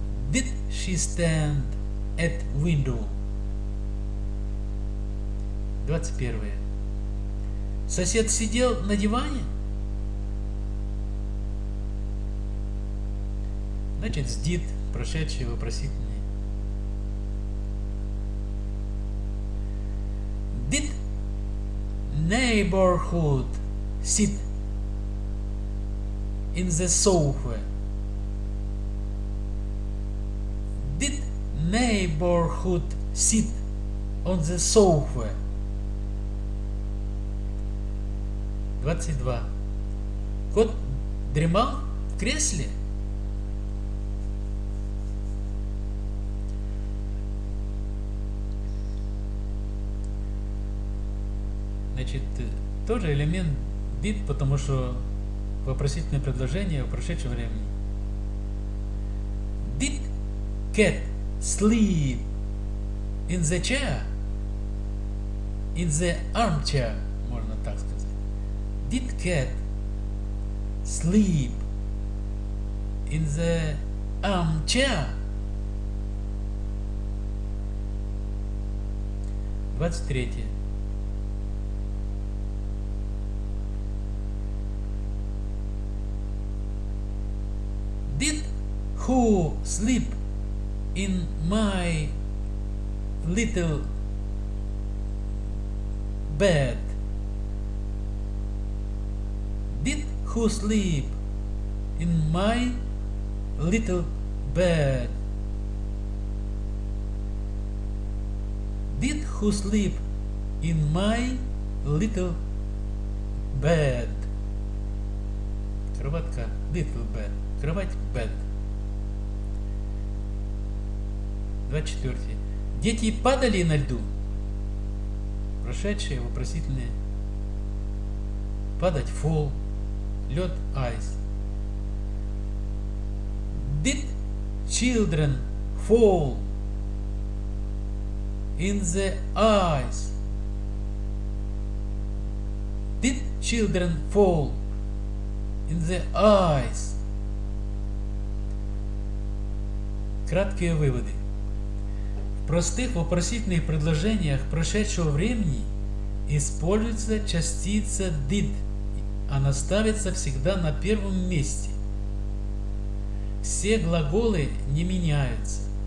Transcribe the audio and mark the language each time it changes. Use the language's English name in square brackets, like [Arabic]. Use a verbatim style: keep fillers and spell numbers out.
[English] Did she stand at window? [Russian] двадцать первое. Сосед сидел на диване? Значит, did. прошедшие вопросительные. [English] Did neighborhood sit in the sofa? Did neighborhood sit on the sofa? [Russian] двадцать два. Кот дремал в кресле? Значит, тоже элемент did, потому что вопросительное предложение в прошедшем времени. [English] Did cat sleep in the chair? In the armchair, [Russian] можно так сказать. [English] Did cat sleep in the armchair? [Russian] двадцать три. [English] Did who sleep in my little bed? Did who sleep in my little bed? Did who sleep in my little bed? Кроватка, little bed. [Russian] Кровать, bed. двадцать четыре. Дети падали на льду? Прошедшие вопросительные. Падать, fall. Лед, ice. [English] Did children fall in the ice? Did children fall in the ice? [Russian] Краткие выводы. В простых вопросительных предложениях прошедшего времени используется частица did. Она ставится всегда на первом месте. Все глаголы не меняются.